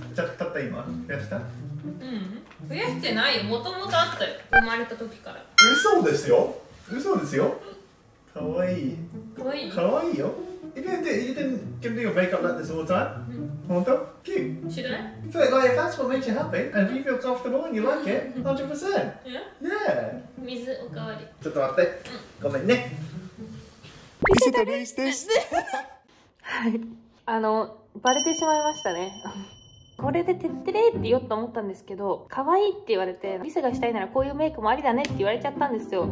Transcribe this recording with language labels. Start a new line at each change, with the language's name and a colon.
Japanese: じゃあたった今増やした？うん、増やしてないよ。もともとあったよ、生まれた時から。嘘ですよ、嘘ですよ。かわいい。かわいい。かわいいよ。
English: You didn't get your makeup like this all the time?
Japanese: 本当？キュー知らない。
English: Like, if that's what makes you happy and you feel comfortable and you like it 100%。 Yeah? Yeah。
Japanese: 水おかわり。ちょっと待って、ごめんね。見せたりしてはい、バレてしまいましたねこれでてってれーって言おうと思ったんですけど、可愛いって言われて、リセがしたいならこういうメイクもありだねって言われちゃったんですよ。